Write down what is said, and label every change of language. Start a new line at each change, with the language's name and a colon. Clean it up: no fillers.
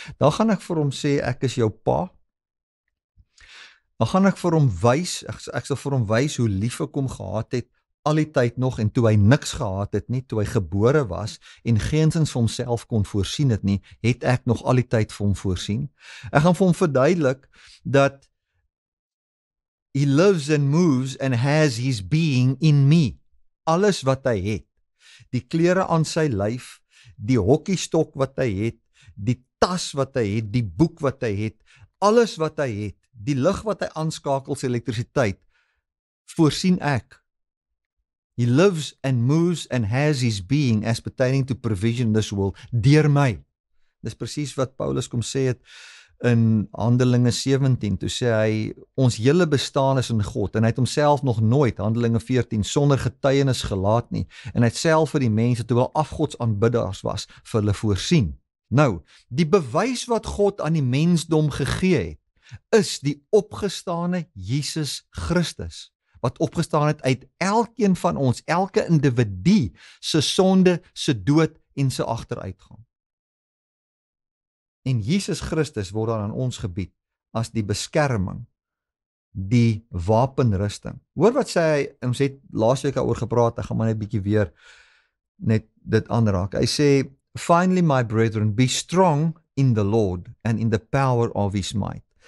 Afrikaans: Dan gaan ek vir hom sê, ek is jou pa. Dan gaan ek vir hom wys, ek sal vir hom wys hoe lief ek hom gehad het, al die tyd nog en toe hy niks gehad het nie, toe hy gebore was en geensins vir homself kon voorsien het nie, het ek nog al die tyd vir hom voorsien. Ek gaan vir hom verduidelik dat
English: he lives and moves and has his being in me.
Afrikaans: Alles wat hy het, die klere aan sy lyf, die hokkiestok wat hy het, die tas wat hy het, die boek wat hy het, alles wat hy het, die lig wat hy aanskakel, sy elektrisiteit, voorsien ek.
English: He lives and moves and has his being as pertaining to provision this world,
Afrikaans: deur my. Dis presies wat Paulus kom sê het in Handelinge 17, toe sê hy, ons hele bestaan is in God, en hy het homself nog nooit, Handelinge 14, sonder getuienis gelaat nie, en hy het self vir die mense, toe wel afgodsaanbidders was, vir hulle voorsien. Nou, die bewys wat God aan die mensdom gegee het, is die opgestane Jesus Christus, wat opgestaan het uit elkeen van ons, elke individu, se sonde, se dood en se agteruitgang. En Jesus Christus word dan aan ons gebied as die beskerming, die wapenrusting. Hoor wat sê hy, ons het laas week daaroor gepraat, ek gaan maar net 'n bietjie weer net dit aanraak. Hy sê,
English: finally my brethren, be strong in the Lord and in the power of his might.